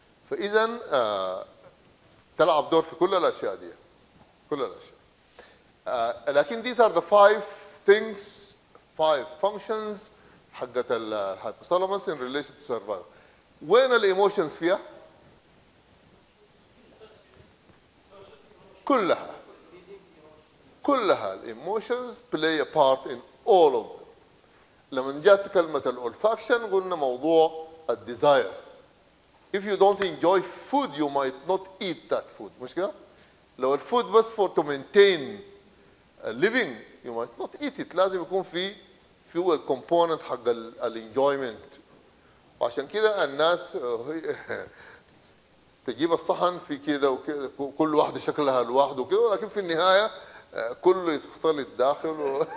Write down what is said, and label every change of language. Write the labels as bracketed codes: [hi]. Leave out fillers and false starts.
[ar] فإذا تلعب دور في كل الأشياء دي، كل الأشياء. لكن [en] these are the five things, five functions [ar] حقت ال [en] hypothalamus in relation to survival. [ar] وين ال emotions فيها؟ كلها. كلها ال [en] emotions play a part in all of them. [ar] لما جات كلمة ال olfaction قلنا موضوع ال desires. [en] If you don't enjoy food, you might not eat that food. [ar] مش كده؟ لو ال [en] food was for to maintain living, you might not eat it. [ar] لازم يكون في fuel component حق ال enjoyment. وعشان كده الناس تجيب الصحن في كده وكده، كل واحدة شكلها لوحده وكده، ولكن في النهاية كله يختل الداخل.